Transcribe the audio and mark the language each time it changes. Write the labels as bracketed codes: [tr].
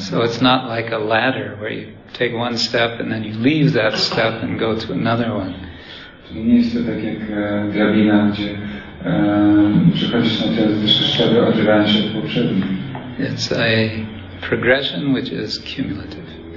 [en] So it's not like a ladder where you take one step and then you leave that step and go to another one. [pl] Czyli nie jest to tak jak drabina, gdzie przechodzisz na te wyższe szczeble, odrywając się od poprzednich. [en] It's a progression which is cumulative.